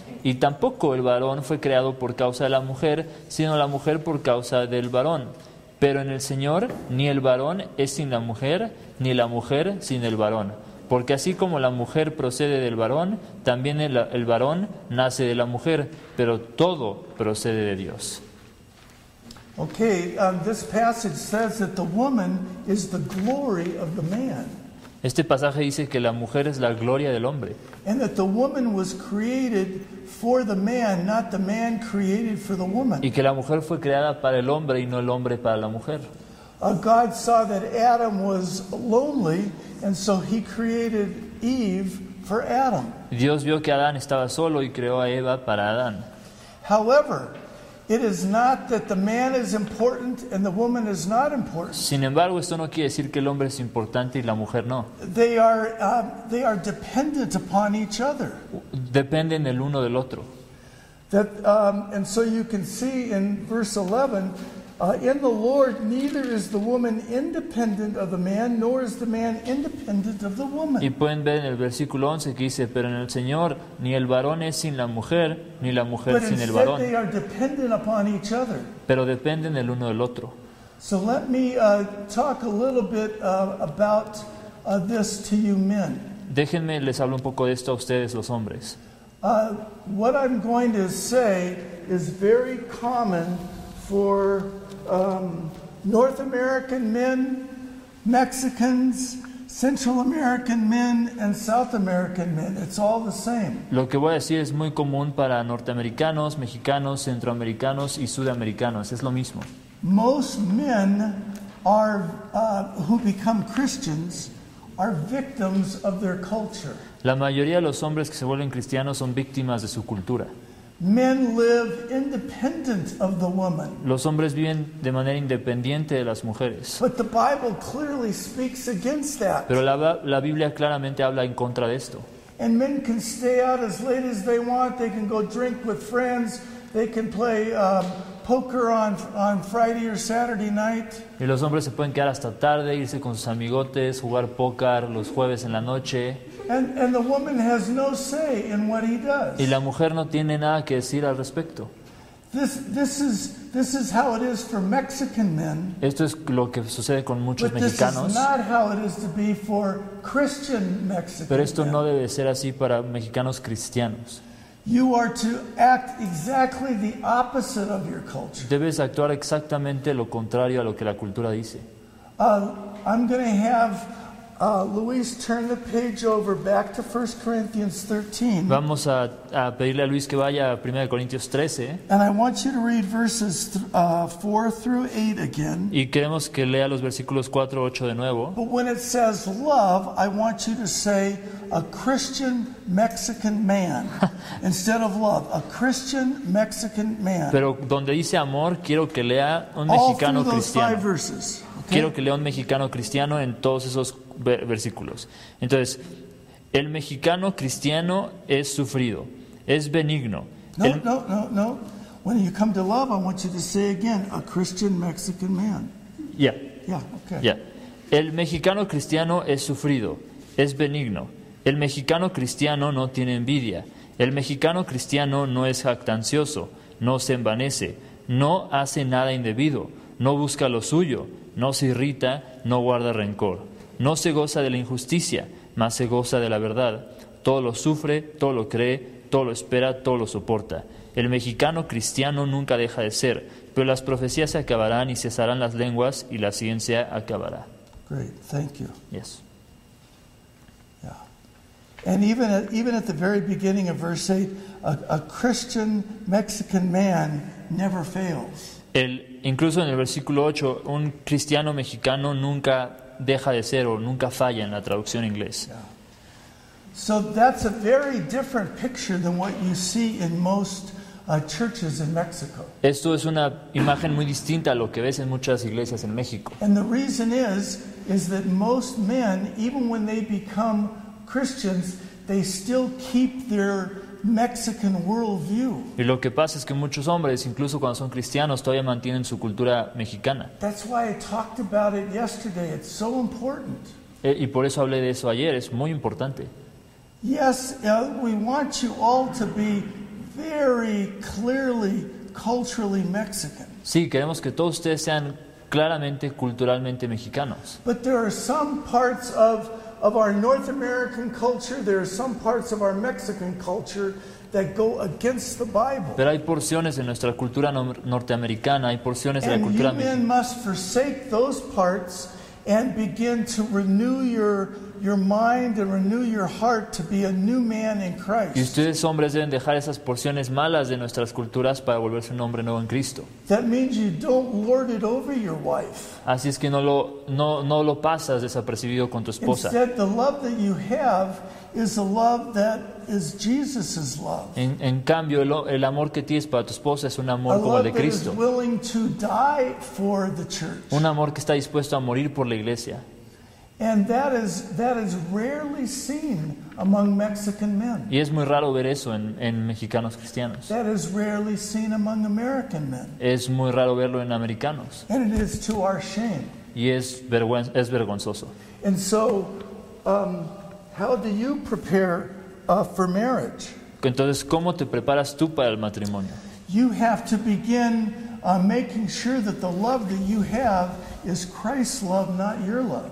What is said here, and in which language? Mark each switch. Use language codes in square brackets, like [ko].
[es] Y tampoco el varón fue creado por causa de la mujer, sino la mujer por causa del varón. Pero en el Señor, ni el varón es sin la mujer, ni la mujer sin el varón. Porque así como la mujer procede del varón, también el varón nace de la mujer, pero todo procede de Dios. [en] Okay, this passage says that the woman is the glory of the man. [es] Este pasaje dice que la mujer es la gloria del hombre. [en] And that the woman was created for the man, not the man created for the woman. [es] Y que la mujer fue creada para el hombre y no el hombre para la mujer. [en] God saw that Adam was lonely, and so he created Eve for Adam. [es] Dios vio que Adán estaba solo y creó a Eva para Adán. [en] However, it is not that the man is important and the woman is not important. [es] Sin embargo, esto no quiere decir que el hombre es importante y la mujer no. [en] They are dependent upon each other. [es] Dependen el uno del otro. [en] And so you can see in verse 11, in the Lord, neither is the woman independent of the man, nor is the man independent of the woman. [es] Y pueden ver en el versículo 11 que dice, pero en el Señor, ni el varón es sin la mujer, ni la mujer sin el varón. [en] But instead, they are dependent upon each other. [es] Pero dependen el uno del otro. [en] So let me talk a little bit about this to you men. [es] Déjenme les hablo un poco de esto a ustedes, los hombres. [en] What I'm going to say is very common for North American men, Mexicans, Central American men, and South American men. It's all the same. [es] Lo que voy a decir es muy común para norteamericanos, mexicanos, centroamericanos y sudamericanos. Es lo mismo. [en] Most men are who become Christians are victims of their culture. [es] La mayoría de los hombres que se vuelven cristianos son víctimas de su cultura. [en] Men live independent of the woman. [es] Los hombres viven de manera independiente de las mujeres. [en] But the Bible clearly speaks against that. [es] Pero la Biblia claramente habla en contra de esto. [en] And men can stay out as late as they want. They can go drink with friends. They can play poker on Friday or Saturday night. [es] Y los hombres se pueden quedar hasta tarde, irse con sus amigotes, jugar póker los jueves en la noche. [en] And the woman has no say in what he does. [es] Y la mujer no tiene nada que decir al respecto. [en] This is how it is for Mexican men. [es] Esto es lo que sucede con muchos mexicanos. [en] But this is not how it is to be for Christian Mexican. [es] Pero esto no debe ser así para mexicanos cristianos. [en] You are to act exactly the opposite of your culture. [es] Debes actuar exactamente lo contrario a lo que la cultura dice. [en] I'm going to have Luis turn the page over back to 1 Corinthians 13. [es] Vamos a pedirle a Luis que vaya a 1 Corintios 13. [en] And I want you to read verses 4 through 8 again. [es] Y queremos que lea los versículos 4 y 8 de nuevo. [en] But when it says love, I want you to say a Christian Mexican man instead of love, a Christian Mexican man. [es] Pero donde dice amor, quiero que lea un mexicano [en] all [es] cristiano. [en] All those five verses. Okay. [es] Quiero que lea un mexicano cristiano en todos esos versículos. Entonces, el mexicano cristiano es sufrido, es benigno. No. [en] When you come to love, I want you to say again, a Christian Mexican man. Yeah. Yeah, okay. [es] Yeah. El mexicano cristiano es sufrido, es benigno. El mexicano cristiano no tiene envidia. El mexicano cristiano no es jactancioso, no se envanece, no hace nada indebido, no busca lo suyo. No se irrita, no guarda rencor. No se goza de la injusticia, mas se goza de la verdad. Todo lo sufre, todo lo cree, todo lo espera, todo lo soporta. El mexicano cristiano nunca deja de ser, pero las profecías se acabarán y cesarán las lenguas y la ciencia acabará. [en] Great, thank you. Yes. Yeah. And even at the very beginning of verse 8, a Christian Mexican man never fails. [es] Incluso en el versículo 8, un cristiano mexicano nunca deja de ser o nunca falla en la traducción en inglés. [en] So that's a very different picture than what you see in most churches in Mexico. [es] Esto es una imagen muy distinta a lo que ves en muchas iglesias en México. [en] And the reason is that most men, even when they become Christians, they still keep their Mexican worldview. [es] Y lo que pasa es que muchos hombres, incluso cuando son cristianos, todavía mantienen su cultura mexicana. [en] That's why I talked about it yesterday. It's so important. [es] Y por eso hablé de eso ayer. Es muy importante. [en] Yes, we want you all to be very clearly culturally Mexican. [es] Sí, queremos que todos ustedes sean claramente culturalmente mexicanos. [en] But there are some parts of our North American culture, there are some parts of our Mexican culture that go against the Bible. [es] Pero hay porciones de nuestra cultura norteamericana, hay porciones [en] and [es] de la cultura mexicana. [en] And you men must forsake those parts and begin to renew your mind and renew your heart to be a new man in Christ. [es] Y ustedes hombres deben dejar esas porciones malas de nuestras culturas para volverse un hombre nuevo en Cristo. [en] That means you don't lord it over your wife. [es] Así es que no lo pasas desapercibido con tu esposa. [en] Instead, the love that you have is the love that is Jesus's love. [es] En cambio, el amor que tienes para tu esposa es un amor como el de Cristo. [en] A love that is willing to die for the church. [es] Un amor que está dispuesto a morir por la iglesia. [en] And that is rarely seen among Mexican men. [es] Y es muy raro ver eso en mexicanos cristianos. [en] That is rarely seen among American men. [es] Es muy raro verlo en americanos. [en] And it is to our shame. [es] Y es vergonzoso. [en] And so, how do you prepare for marriage? [es] Entonces, ¿cómo te preparas tú para el matrimonio? [en] You have to begin making sure that the love that you have is Christ's love, not your love.